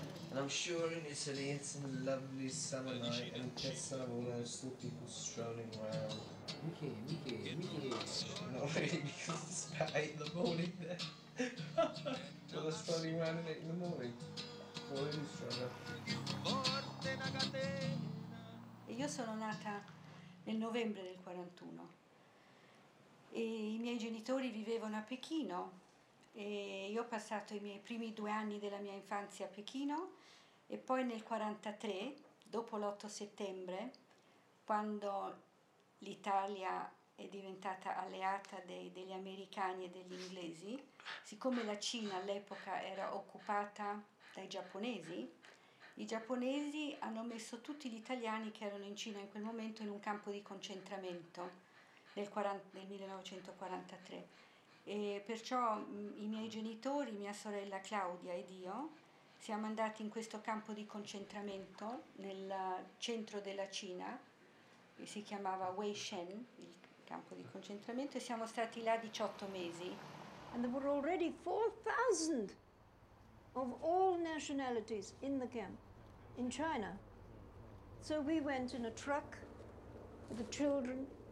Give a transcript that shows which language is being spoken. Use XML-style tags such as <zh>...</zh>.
<en>And I'm sure in Italy it's a lovely summer night and cats are all those two people strolling around. Mickey. Not really, because it's about 8 in the morning there. Well, they're strolling around at 8 in the morning. Well, it is strolling.</en> <it>Io sono nata nel novembre del 41 e i miei genitori vivevano a Pechino e io ho passato i miei primi 2 anni della mia infanzia a Pechino e poi nel 43, dopo l'8 settembre, quando l'Italia è diventata alleata degli americani e degli inglesi, siccome la Cina all'epoca era occupata dai giapponesi, i giapponesi hanno messo tutti gli italiani che erano in Cina in quel momento in un campo di concentramento nel 1943. E perciò i miei genitori, mia sorella Claudia ed io, siamo andati in questo campo di concentramento nel centro della Cina, che si chiamava Weishen, il campo di concentramento, e siamo stati là 18 mesi.</it> <en>And there were already 4,000 of all nationalities in the camp. In China. So we went in a truck with the children.</en>